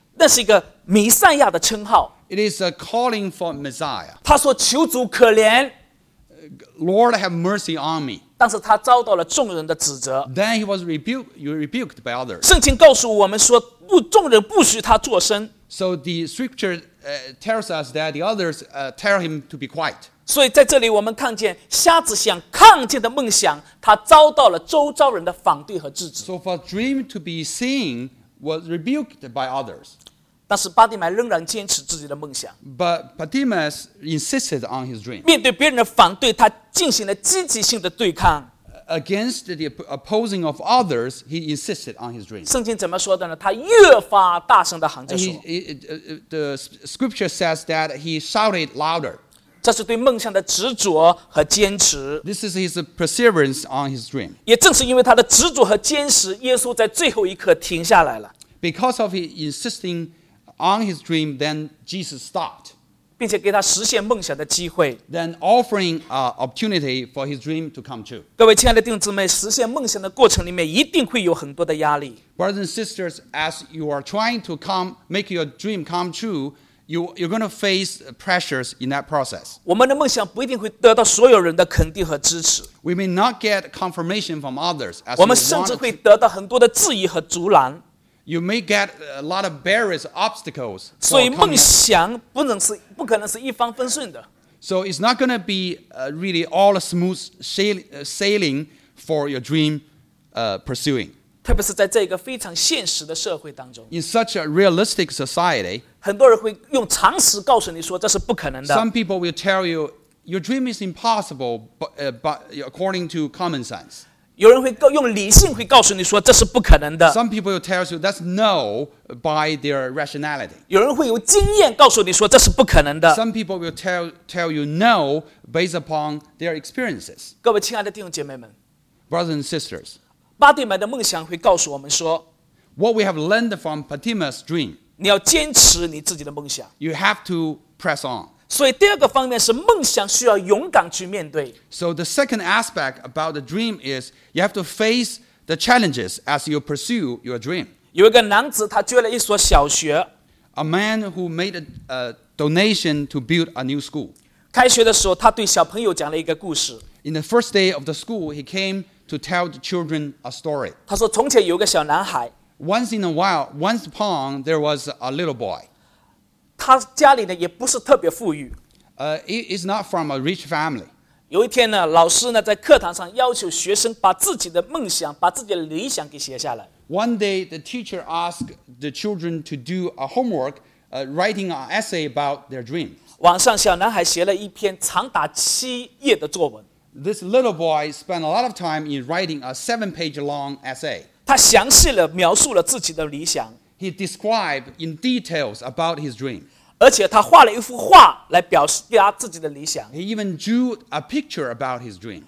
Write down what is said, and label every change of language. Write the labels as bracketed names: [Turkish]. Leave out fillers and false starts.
[Chinese] 那是一个弥赛亚的称号。 [English] It is a calling for Messiah. [Chinese] 他说求主可怜。 [English] Lord have mercy on me. [Chinese] 但是他遭到了众人的指责。 [English] Then he was rebuked by others. [Chinese] 圣经告诉我们说，不，众人不许他作声。 [English] So the scripture tells us that the others tell him to be quiet. [Chinese] 所以在这里我们看见，瞎子想看见的梦想，他遭到了周遭人的反对和制止。 [English] So for dream to be seen was rebuked by others. [Chinese] 但是巴蒂买仍然坚持自己的梦想。 [English] But Bartimaeus insisted on his dream. [Chinese] 面对别人的反对，他进行了积极性的对抗。 [English] Against the opposing of others, he insisted on his dream. [Chinese] 圣经怎么说的呢？他越发大声的喊着说。 [English] The scripture says that he shouted louder. [Chinese] 这是对梦想的执着和坚持。 [English] This is his perseverance on his dream. [Chinese] 也正是因为他的执着和坚持，耶稣在最后一刻停下来了。 [English] Because of his insisting on his dream, then Jesus stopped. [Chinese] 并且给他实现梦想的机会。 [English] Then offering an opportunity for his dream to come true. [Chinese] 各位亲爱的弟兄姊妹，实现梦想的过程里面一定会有很多的压力。 [English] Brothers and sisters, as you are trying to make your dream come true, you're going to face pressures in that process. [Chinese] 我们的梦想不一定会得到所有人的肯定和支持。 [English] We may not get confirmation from others. [Chinese] 我们甚至会得到很多的质疑和阻拦。 [English] You may get a lot of barriers, obstacles. [Chinese] 所以梦想不可能是一帆风顺的。 [English] So it's not going to be really all smooth sailing for your dream pursuing. [Chinese] 特别是在这个非常现实的社会当中。 [English] In such a realistic society, [Chinese] 很多人会用常识告诉你说这是不可能的。 [English] Some people will tell you your dream is impossible, but according to common sense. [Chinese] 有人会用理性会告诉你说这是不可能的。 [English] Some people will tell you that's no by their rationality. [Chinese] 有人会有经验告诉你说这是不可能的。 [English] Some people will tell you no based upon their experiences. [Chinese] 各位亲爱的弟兄姐妹们 [English] ，Brothers and sisters， [Chinese] 巴蒂买的梦想会告诉我们说 [English] ，What we have learned from Bartimaeus' dream， [Chinese] 你要坚持你自己的梦想。 [English] You have to press on. [Chinese] 所以第二个方面是梦想需要勇敢去面对。 [English] So the second aspect about the dream is you have to face the challenges as you pursue your dream. [Chinese] 有一个男子他捐了一所小学。 [English] A man who made a donation to build a new school. [Chinese] 开学的时候他对小朋友讲了一个故事。 [English] In the first day of the school, he came to tell the children a story. [Chinese] 他说从前有个小男孩。 [English] once in a while, once upon, there was a little boy. [Chinese] 他家里呢也不是特别富裕。 [English] He's not from a rich family. [Chinese] 有一天呢，老师呢在课堂上要求学生把自己的梦想、把自己的理想给写下来。 [English] One day, the teacher asked the children to do a homework, writing an essay about their dreams. [Chinese] 晚上，小男孩写了一篇长达七页的作文。 [English] This little boy spent a lot of time in writing a 7-page-long essay. [Chinese] 他详细地描述了自己的理想。 [English] He described in details about his dream. [Chinese] 而且他画了一幅画来表示自己的理想。 [English] He even drew a picture about his dream.